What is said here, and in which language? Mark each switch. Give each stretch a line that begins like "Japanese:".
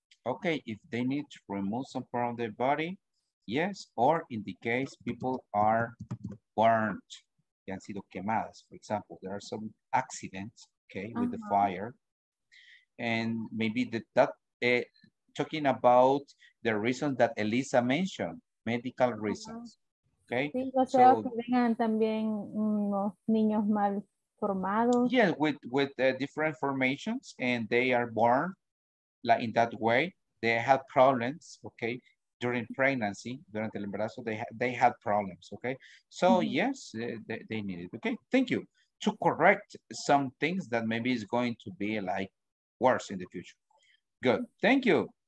English: Okay, if they need to remove some part of their body, yes, or in the case people are burnt,
Spanish: que han sido quemadas,
English: for example, there are some accidents, okay, with the fire, and maybe talking about the reason that Elisa mentioned, medical reasons, okay?
Spanish: Sí, o sea, so, que vengan también unos niños mal formados.
English: Yes, with different formations, and they are born like in that way. They have problems, okay? During pregnancy,
Spanish: durante el embarazo,
English: they had problems, okay? So yes, they need it, okay? Thank you. To correct some things that maybe is going to be like worse in the future. Good, thank you.